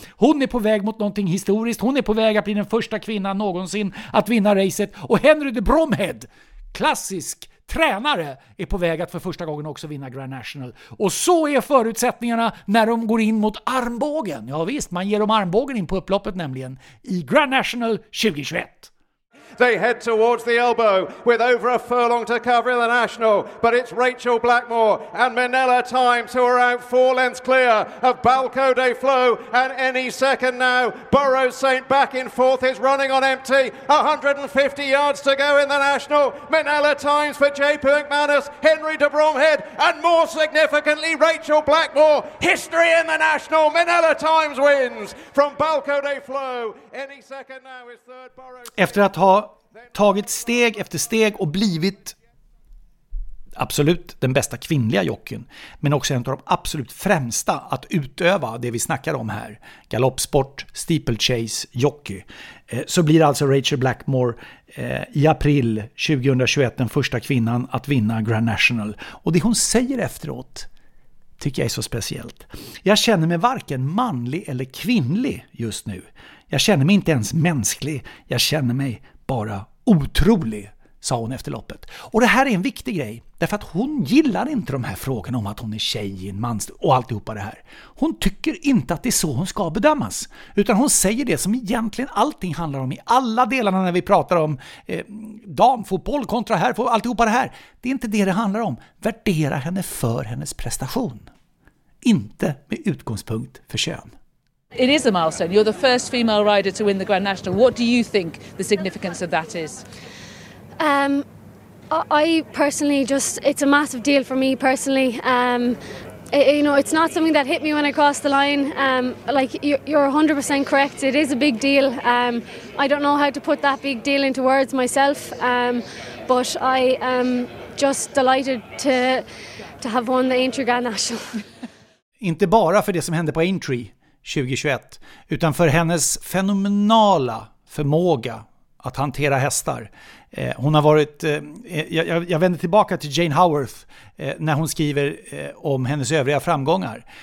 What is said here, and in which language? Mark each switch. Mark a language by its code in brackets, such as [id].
[sv] Hon är på väg mot någonting historiskt. Hon är på väg att bli den första kvinnan någonsin att vinna racet. Och Henry de Bromhead, klassisk tränare är på väg att för första gången också vinna Grand National. Och så är förutsättningarna när de går in mot armbågen. Ja visst, man ger dem armbågen in på upploppet nämligen i Grand National 2021. [en] They head towards the elbow with over a furlong to cover in the National, but it's Rachel Blackmore and Manella Times who are out four lengths clear of Balco de Flo, and any second now Burrow Saint back in fourth is running on empty. 150 yards to go in the National. Manella Times for J.P. McManus, Henry de Bromhead, and more significantly Rachel Blackmore, history in the National. Manella Times wins from Balco de Flo. Any second now is third Burrow. [sv] Efter att ha tagit steg efter steg och blivit absolut den bästa kvinnliga jockeyn, men också en av de absolut främsta att utöva det vi snackar om här, galoppsport, steeplechase, jockey, så blir alltså Rachel Blackmore i april 2021 den första kvinnan att vinna Grand National. Och det hon säger efteråt tycker jag är så speciellt. Jag känner mig varken manlig eller kvinnlig just nu. Jag känner mig inte ens mänsklig. Jag känner mig bara otrolig, sa hon efter loppet. Och det här är en viktig grej, därför att hon gillar inte de här frågorna om att hon är tjej i en mans och alltihopa det här. Hon tycker inte att det är så hon ska bedömas, utan hon säger det som egentligen allting handlar om i alla delarna när vi pratar om damfotboll kontra här, alltihopa det här. Det är inte det det handlar om. Värdera henne för hennes prestation, inte med utgångspunkt för kön. [en] It is a milestone. You're the first female rider to win the Grand National. What do you think the significance of that is? I personally just, it's a massive deal for me personally. You know, it's not something that hit me when I crossed the line. Like, you're 100% correct. It is a big deal. I don't know how to put that big deal into words myself. But I am just delighted to have won the Aintree Grand National. [sv] Inte bara för det som hände på Aintree 2021, utan för hennes fenomenala förmåga att hantera hästar. Hon har varit, jag vänder tillbaka till Jane Howarth när hon skriver om hennes övriga framgångar.